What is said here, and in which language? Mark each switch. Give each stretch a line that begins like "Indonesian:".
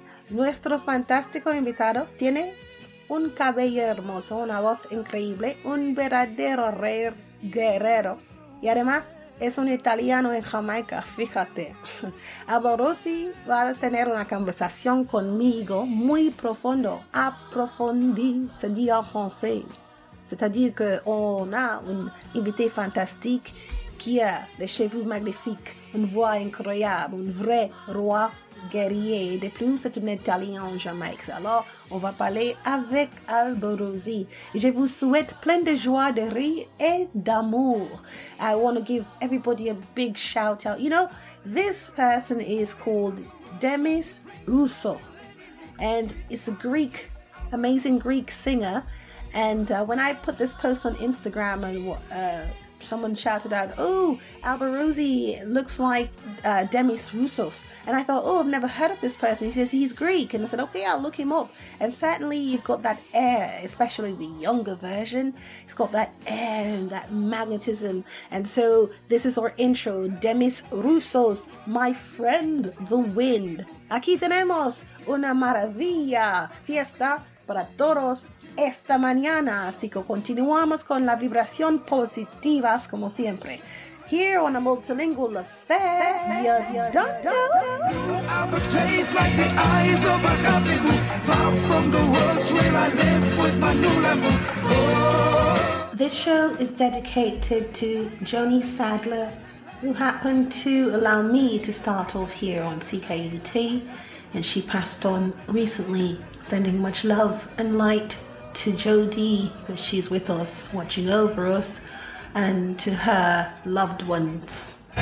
Spanish: Nuestro fantástico invitado tiene un cabello hermoso, una voz increíble, un verdadero rey guerrero. Y además, es un italiano en Jamaica, fíjate. Alborosie va a tener una conversación conmigo muy profundo. Approfondi, se dice en francés.
French: C'est-à-dire qu'on a un invité fantastique qui a des cheveux magnifiques, une voix incroyable, un vrai roi. Guerrier, de plus c'est un Italien en Jamaïque. Alors, on va parler avec Alborosie. Je vous souhaite plein de joie, de rire et d'amour.
English: I want to give everybody a big shout out. You know, this person is called Demis Ousso, and it's a Greek, amazing Greek singer. And when I put this post on Instagram and someone shouted out, oh, Alborosie looks like Demis Ousso. And I thought, oh, I've never heard of this person. He says he's Greek. And I said, okay, I'll look him up. And certainly you've got that air, especially the younger version. He's got that air and that magnetism. And so this is our intro, Demis Ousso, my friend, the wind.
Spanish: Aquí tenemos una maravilla fiesta para todos. Esta mañana, así que continuamos con la vibración positivas como siempre.
English: Here on a multilingual affair, you have a taste like the eyes of a happy moon, far from the worlds where I live with my new level. This show is dedicated to Joni Sadler, who happened to allow me to start off here on CKUT, and she passed on recently, sending much love and light to Jody, because she's with us, watching over us, and to her loved ones.